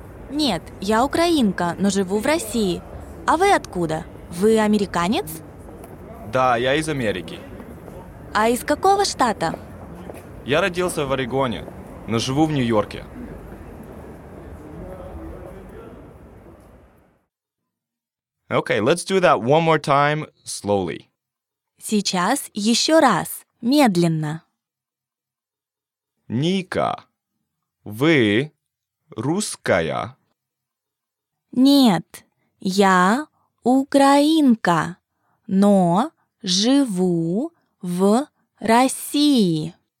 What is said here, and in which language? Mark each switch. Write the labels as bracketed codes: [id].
[ru] Нет, я украинка, но живу в России. А вы откуда? Вы американец? Да, я из Америки. А из какого штата? Я родился в Орегоне, но живу в Нью-Йорке. [en] Okay, let's do that one more time, slowly. [ru] Сейчас еще раз, медленно. Ника, вы русская? Нет, я украинка, но живу в России.